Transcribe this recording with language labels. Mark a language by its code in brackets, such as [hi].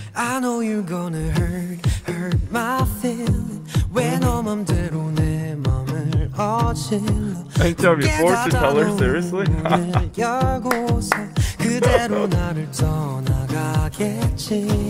[en] I know you're gonna hurt my feeling. [ko] When 너 맘대로 내 맘을 어질러. [en] I tell you, fortune teller, seriously? [ko] 열고서 그대로 나를 떠나가겠지.